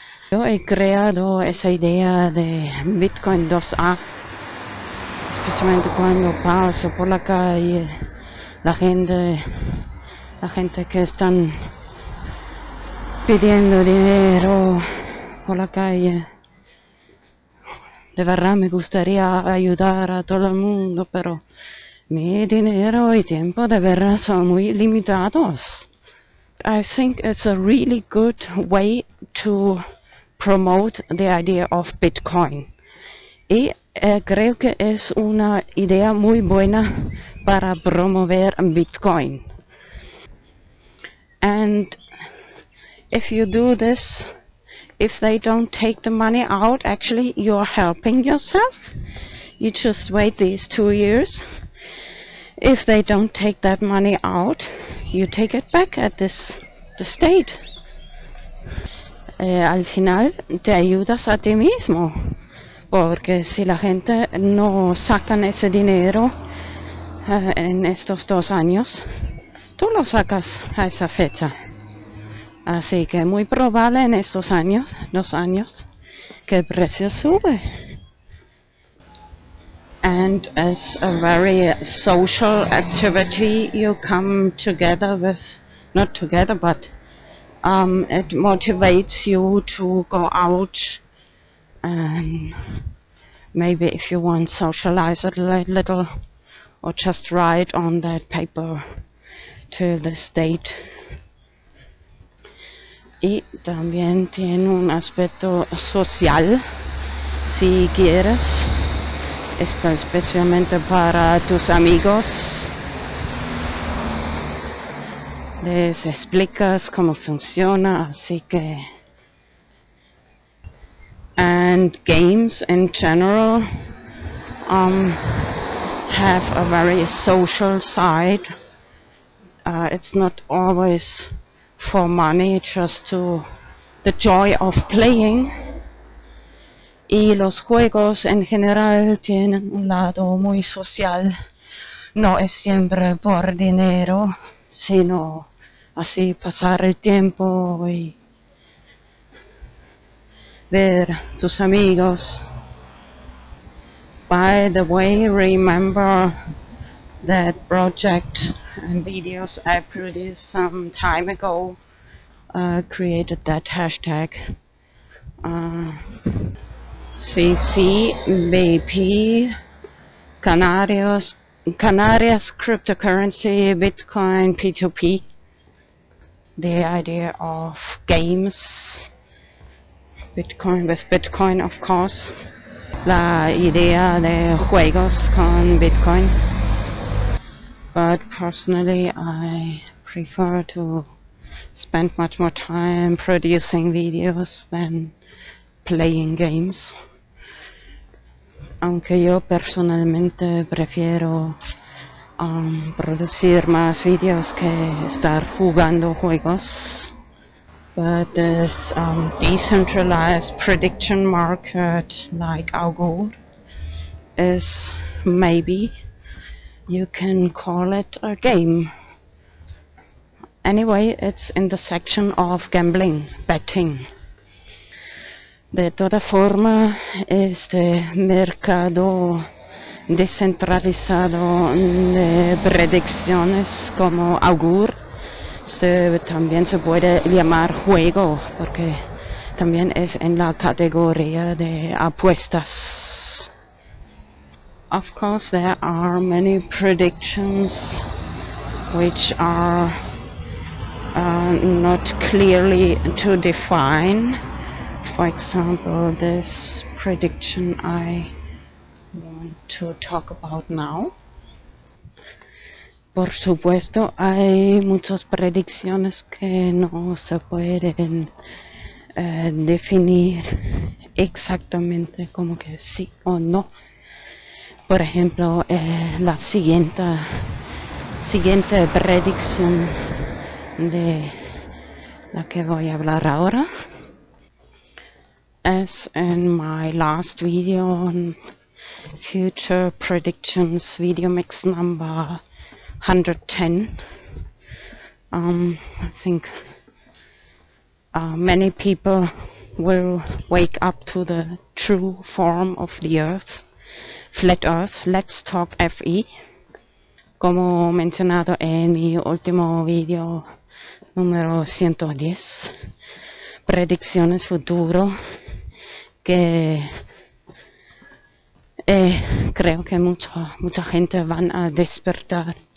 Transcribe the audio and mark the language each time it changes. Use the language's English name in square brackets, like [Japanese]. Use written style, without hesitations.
[Spanish] Yo he creado esa idea de Bitcoin 2A, especialmente cuando paso por la calle, la gente que están pidiendo dinero por la calle. De verdad me gustaría ayudar a todo el mundo, pero mi dinero y tiempo de verdad son muy limitados. [English] I think it's a really good way to promote the idea of Bitcoin. [Spanish] Y creo que es una idea muy buena para promover Bitcoin. [English] And if you do this, if they don't take the money out, actually, you're helping yourself. You just wait these 2 years. If they don't take that money out, you take it back at this, the state. [Spanish] Al final, te ayudas a ti mismo. Porque si la gente no sacan ese dinero en estos 2 años, tú lo sacas a esa fecha. Así que muy probable en estos años, 2 años, que el precio sube. [English] And as a very social activity, you come together with, not together, but it motivates you to go out. And maybe if you want to socialize it a little, or just write on that paper to the state. [Spanish] Y también tiene un aspecto social, si quieres, especialmente para tus amigos. Les explicas cómo funciona, así que... [English] And games in general have a very social side. It's not always for money, just to the joy of playing. [Spanish] Y los juegos en general tienen un lado muy social. No es siempre por dinero, sino así pasar el tiempo y ver tus amigos. [English] By the way, remember that project and videos I produced some time ago created that hashtag. CCBP, Canarias cryptocurrency, Bitcoin, P2P. The idea of games. Bitcoin with Bitcoin, of course. [Spanish] La idea de juegos con Bitcoin. [English] But personally, I prefer to spend much more time producing videos than playing games. [Spanish] Aunque yo personalmente prefiero producir más videos que estar jugando juegos. [English] But this decentralized prediction market, like Augur, is maybe you can call it a game. Anyway, it's in the section of gambling, betting. [Spanish] De toda forma, este mercado descentralizado de predicciones como Augur. También se puede llamar juego, porque también es en la categoría de apuestas. [English] Of course, there are many predictions which are not clearly to define. For example, this prediction I want to talk about now. [Spanish] Por supuesto, hay muchas predicciones que no se pueden definir exactamente como que sí o no. Por ejemplo, la siguiente predicción de la que voy a hablar ahora. [English] As in my last video on future predictions, VideoMix number 110. I think many people will wake up to the true form of the Earth, flat Earth. Let's talk FE. [Spanish] Como mencionado en mi último video número 110, predicciones futuro, que creo que mucha gente van a despertar.